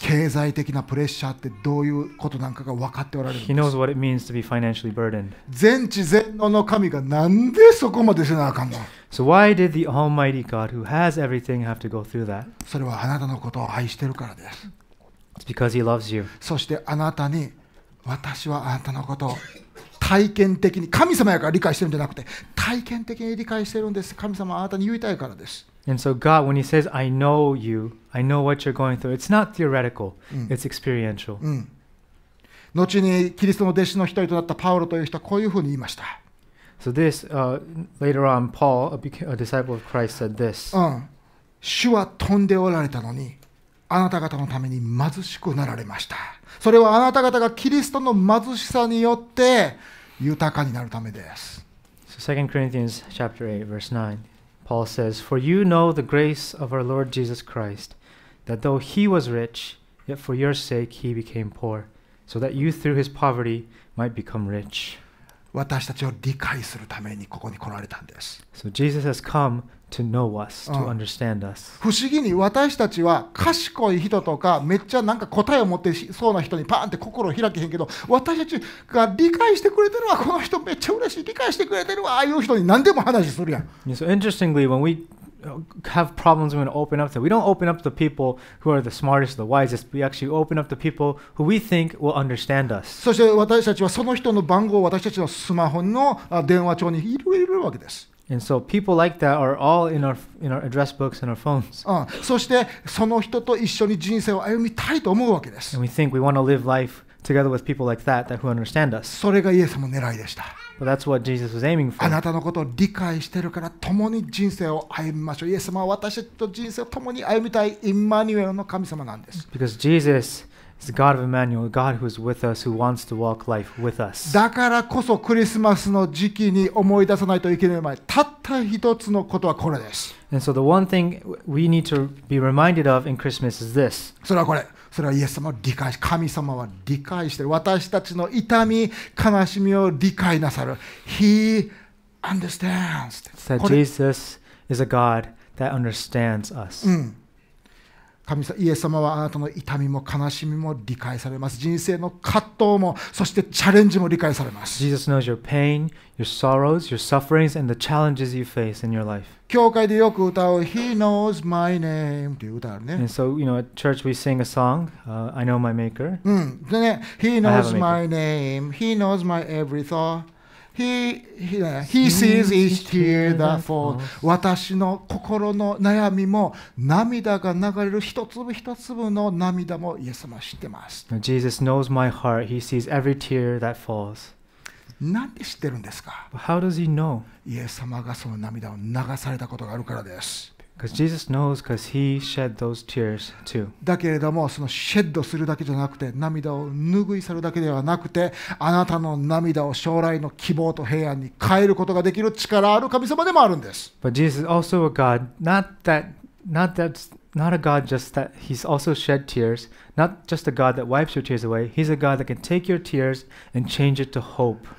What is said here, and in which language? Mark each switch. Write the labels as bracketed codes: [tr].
[ja] 経済的なプレッシャーってどういうことなんかが分かっておられるんです。 [en] He knows what it means to be financially burdened. [ja] 全知全能の神がなんでそこまでせなあかんの。 [en] So why did the Almighty God who has everything have to go through that? [ja] それはあなたのことを愛してるからです。 [en] It's because he loves you. [ja] そしてあなたに、私はあなたのことを体験的に、神様やから理解してるんじゃなくて、体験的に理解してるんです。神様はあなたに言いたいからです。 [en] And so God, when he says, I know you, I know what you're going through, it's not theoretical, it's experiential. [ja] 後にキリストの弟子の一人となったパウロという人はこういうふうに言いました。 [en] So this, later on, Paul, a disciple of Christ, said this. [ja] 主は富んでおられたのに、あなた方のために貧しくなられました。それはあなた方がキリストの貧しさによって豊かになるためです。 [en] So 2 Corinthians chapter 8, verse 9, Paul says, For you know the grace of our Lord Jesus Christ, that though he was rich, yet for your sake he became poor, so that you through his poverty might become rich. [ja] 私たちを理解するためにここに来られたんです。 [en] So Jesus has come to know us, to understand us. [ja] 不思議に私たちは賢い人とかめっちゃなんか答えを持ってそうな人にパーンって心を開けへんけど、私たちが理解してくれてるわ、この人めっちゃ嬉しい、理解してくれてるわ、ああいう人に何でも話するやん。 [en] So interestingly, when we have problems, we open up to. We don't open up to the people who are the smartest, the wisest. We actually open up to people who we think will understand us. [ja] そして私たちはその人の番号を私たちのスマホの電話帳に入れるわけです。 [en] And so people like that are all in our address books and our phones. [ja] そしてその人と一緒に人生を歩みたいと思うわけです。 [en] And we think we want to live life together with people like that who understand us. [ja] それがイエスの狙いでした。 [en] But that's what Jesus was aiming for. [ja] あなたのことを理解してるから共に人生を歩みましょう。イエス様は私と人生を共に歩みたいイマニュエルの神様なんです。 [en] Because Jesus is the God of Emmanuel, God who is with us, who wants to walk life with us. [ja] だからこそクリスマスの時期に思い出さないといけない前、たった一つのことはこれです。 [en] And so the one thing we need to be reminded of in Christmas is this. [ja] それはこれ。それはイエス様は理解し、神様は理解してる。私たちの痛み、悲しみを理解なさる。 [en] He understands. It's that Jesus is a God that understands us. [ja] 神様、イエス様はあなたの痛みも悲しみも理解されます。人生の葛藤も、そしてチャレンジも理解されます。 [en] Jesus knows your pain, your sorrows, your sufferings, and the challenges you face in your life. [ja] 教会でよく歌う [en] He knows my name [ja] という歌あるね。 [en] And so, you know, at church we sing a song, I know my maker. でね、He knows my name, He knows my every thought. He sees each tear that falls. [ja] 私の心の悩みも涙が流れる一粒一粒の涙もイエス様知ってます。 [en] Jesus knows my heart. He sees every tear that falls. [ja] なんで知ってるんですか? [en] How does he know? [ja] イエス様がその涙を流されたことがあるからです。 [en] Because Jesus knows, because he shed those tears too. [ja] だけれどもそのシェッドするだけじゃなくて涙を拭い去るだけではなくてあなたの涙を将来の希望と平安に変えることができる力ある神様でもあるんです。 [en] But Jesus is also a God, not a God just that he's also shed tears, not just a God that wipes your tears away. He's a God that can take your tears and change it to hope.